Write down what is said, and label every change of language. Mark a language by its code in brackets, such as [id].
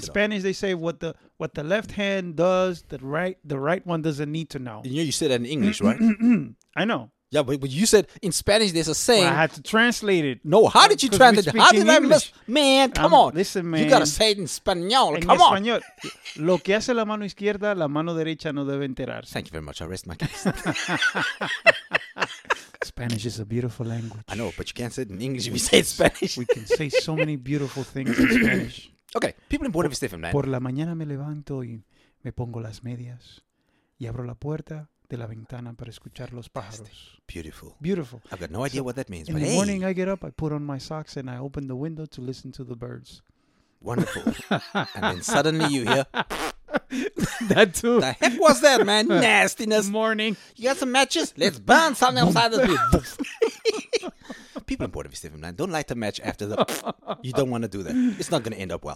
[en] Spanish, they say what the left hand does, the right one doesn't need to know. Yeah, you said that in English, right? I know. Yeah, but you said in Spanish there's a saying. Well, I had to translate it. No, how did you translate it? How did English. I miss? Man, come on. Listen, man. You got to say it in Espanol. [es] En [en] come [es] español. [en] On. [es] Lo que hace la mano izquierda, la mano derecha no debe enterarse. [en] Thank you very much. I rest my case. Spanish is a beautiful language. I know, but you can't say it in English if you say it in Spanish. We can say so many beautiful things in Spanish. Okay, people in Buena Vista, man. [es] Por la mañana me levanto y me pongo las medias y abro la puerta de la ventana para escuchar los pájaros. [en] Beautiful. I've got no idea what that means. In the morning, I get up, I put on my socks, and I open the window to listen to the birds. wonderful. And then suddenly you hear... That too. The heck was that, man? Nastiness. Morning. You got some matches? Let's burn something outside of here. People in Puerto Vista, man, don't light a match after the... you don't want to do that. It's not going to end up well.